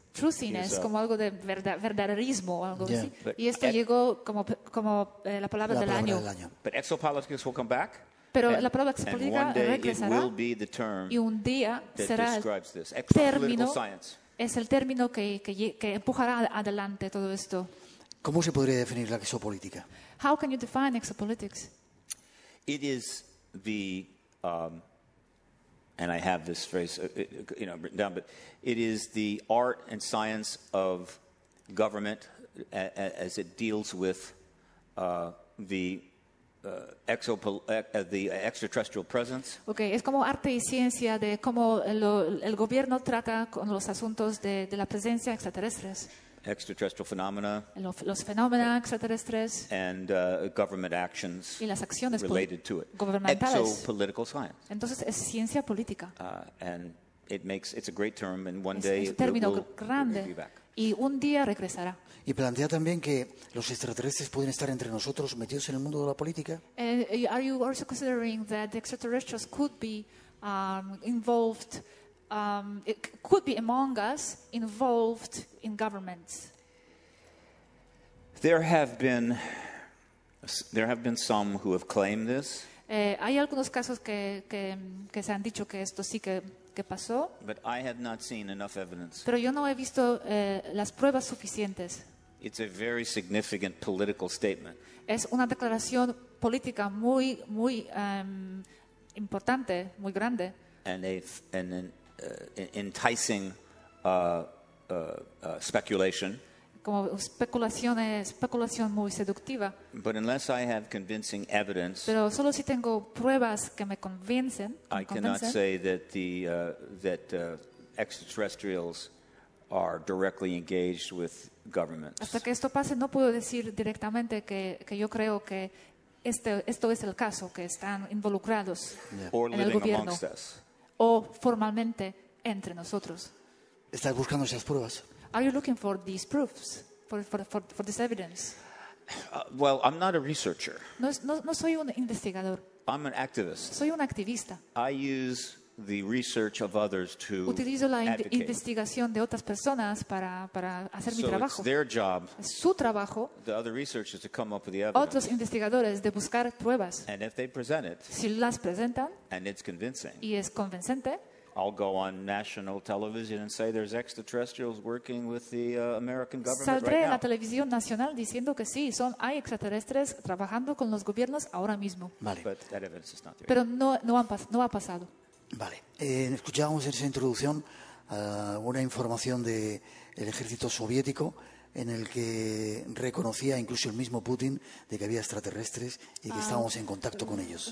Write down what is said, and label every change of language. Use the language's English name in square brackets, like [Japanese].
[Spanish] Truthiness, como algo de verdaderismo o algo así. Y esto llegó como la palabra del año. [English] But exopolitics will come back. [Spanish] Pero la palabra exopolítica regresará. [English] It will be the term [Spanish] y un día será el término. Science. Es el término que empujará adelante todo esto. ¿Cómo se podría definir la exopolítica? [English] How can you define exopolitics? It is the and I have this phrase, written down. But it is the art and science of government as it deals with the extraterrestrial presence. [Spanish] Okay, es como arte y ciencia de cómo el gobierno trata con los asuntos de la presencia extraterrestres. [English] Extraterrestrial phenomena. [Spanish] Los fenómenos extraterrestres. [English] And government actions. [Spanish] Y las acciones [English] related to it. [Spanish] Gubernamentales. [English] Exopolitical science. [Spanish] Entonces es ciencia política. [English] And it's a great term, and one [Spanish] es, [English] day [Spanish] es término [English] it will [Spanish] grande, [English] be back. [Spanish] Y un día regresará. Y plantea también que los extraterrestres pueden estar entre nosotros, metidos en el mundo de la política. [English] Are you also considering that the extraterrestrials could be involved? It could be among us involved in governments. There have been some who have claimed this. [Spanish] Hay algunos casos que se han dicho que esto sí que pasó. [English] But I have not seen enough evidence. [Spanish] Pero yo no he visto las pruebas suficientes. [English] It's a very significant political statement. [Spanish] Es una declaración política muy muy importante, muy grande. [English] Enticing speculation. [Spanish] Como especulación muy seductiva. [English] But unless I have convincing evidence, [Spanish] pero solo si tengo pruebas que me convencen, [English] I cannot say that extraterrestrials are directly engaged with governments. [Spanish] Hasta que esto pase, no puedo decir directamente que yo creo que esto es el caso, que están involucrados en el gobierno. [English] Amongst us. [Spanish] O formalmente entre nosotros. ¿Estás buscando esas pruebas? [English] Are you looking for these proofs, for this evidence? Well, I'm not a researcher. [Spanish] No soy un investigador. [English] I'm an activist. [Spanish] Soy un activista. [English] I use the research of others to advocate. [Spanish] Utilizo la investigación de otras personas para hacer mi trabajo. [English] So it's their job. [Spanish] Su trabajo. [English] The other researchers to come up with the evidence. [Spanish] Otros investigadores de buscar pruebas. [English] And if they present it. [Spanish] Si las presentan. [English] And it's convincing. [Spanish] Y es convincente. [English] I'll go on national television and say there's extraterrestrials working with the American government [Spanish] saldré Saldré en la televisión nacional diciendo que sí, hay extraterrestres trabajando con los gobiernos ahora mismo. Vale. [English] But that evidence is not there. [Spanish] Pero no ha pasado. Vale. Escuchábamos en esa introducción una información del ejército soviético en el que reconocía incluso el mismo Putin de que había extraterrestres y que estábamos en contacto con ellos.